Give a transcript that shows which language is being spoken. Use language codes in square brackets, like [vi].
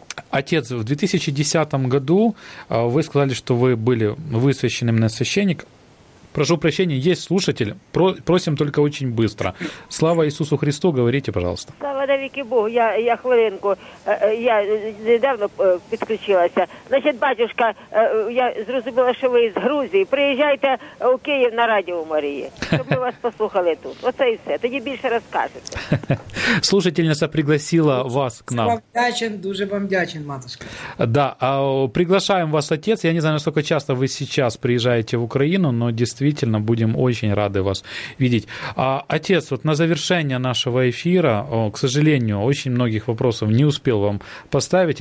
[ru] Отец, в 2010 году вы сказали, что вы были высвященным на священник. Прошу прощения, есть слушатель. Просим только очень быстро. Слава Иисусу Христу, говорите, пожалуйста. [uk] Слава на веки Богу. Я хвилинку. [ru] Я недавно подключилась. Значит, батюшка, [uk] я зрозуміла, що ви з Грузії. Приїжджайте у Київ на Радіо Марії, щоб ми вас послухали тут. Оце і все. Тоді більше розкажете. [ru] Слушательница пригласила вас к нам. [uk] Дуже вам вдячен, матушка. [ru] Да, приглашаем вас, отец. Я не знаю, насколько часто вы сейчас приезжаете в Украину, но действительно, будем очень рады вас видеть. Отец, вот на завершение нашего эфира, к сожалению, очень многих вопросов не успел вам поставить.